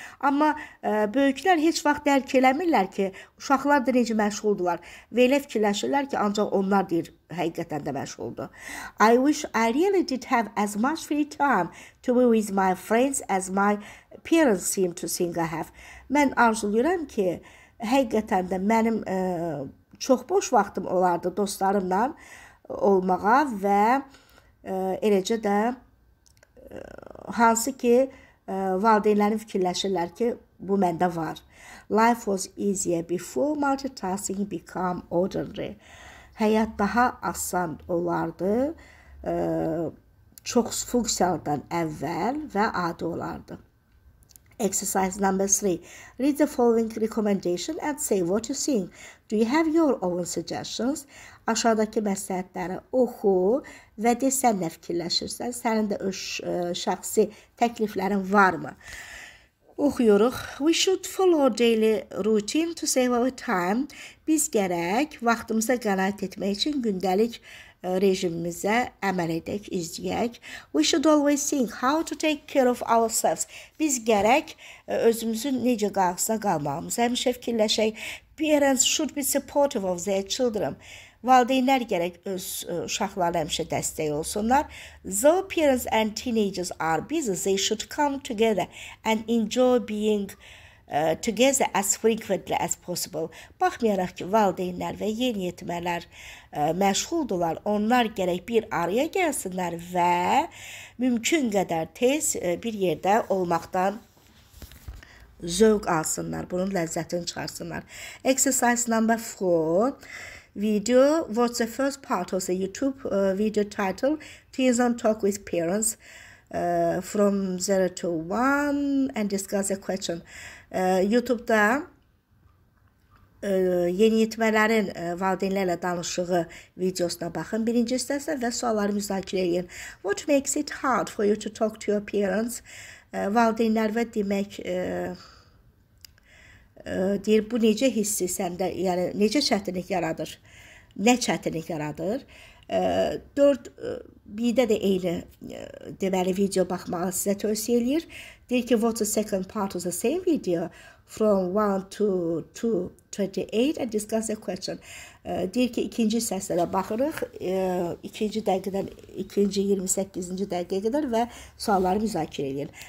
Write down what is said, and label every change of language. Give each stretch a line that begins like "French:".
Azerbaijani: Amma böyüklər heç vaxt dərk eləmirlər ki, uşaqlar da necə məşğuldurlar. Və elə fikirləşirlər ki, ancaq onlar deyir, həqiqətən də məşğuldur.
English: I wish I really did have as much free time to be with my friends as my parents seem to think I have.
Azerbaijani: Mən arzulayıram ki, həqiqətən də mənim çox boş vaxtım olardı dostlarımla. olmağa və eləcə də hansı ki valideynlərin fikirləşirlər ki, bu məndə var.
English: Life was easier before multitasking become ordinary.
Azerbaijani: Həyat daha asan olardı, çox funksiyalardan əvvəl və adi olardı.
English: Exercise number 3. Read the following recommendation and say what you think. Do you have your own suggestions?
Azerbaijani: Aşağıdakı məsləhətləri oxu və de sən nə fikirləşirsən? Sənin də öz şəxsi təkliflərin varmı? Oxuyuruq.
English: We should follow our daily routine to save our time.
Azerbaijani: Biz gərək vaxtımıza qənaət etmək üçün gündəlik rejimimizə əməl edək, izləyək.
English: We should always think how to take care of ourselves.
Azerbaijani: Biz gərək özümüzün necə qarşısına qalmağımızı həmişə fikirləşək.
English: Parents should be supportive of their children.
Azerbaijani: Valideynlər gərək öz uşaqlarına həmişə dəstək olsunlar.
English: Though parents and teenagers are busy, they should come together and enjoy being together as frequently as possible.
Azerbaijani: Baxmayaraq ki, valideynlər və yeniyetmələr məşğuldurlar, onlar gərək bir araya gəlsinlər və mümkün qədər tez bir yerdə olmaqdan zövq alsınlar, bunun ləzzətini çıxarsınlar.
English: Exercise number 4. Video, what's the first part of the YouTube video title? Teens on talk with parents from 0 to 1 and discuss a question.
Azerbaijani: YouTube'da yeni yetmələrin valideynlərlə danışığı videosuna baxın. Birinci hissə və sualları müzakirə edin.
English: What makes it hard for you to talk to your parents?
Azerbaijani: Valideynlər və demək deyir, bu necə hissi səndə, yəni necə çətinlik yaradır? Nə çətinlik yaradır? Dörd, bir də eyni deməli video baxmağı sizə tövsiyə edir. Deyir ki,
English: what's the second part of the same video from 1 to 2:28 and discuss a question.
Azerbaijani: Deyir ki, ikinci səslərə baxırıq. İkinci dəqiqədən, ikinci 28-ci dəqiqə qədər və sualları müzakirə edir.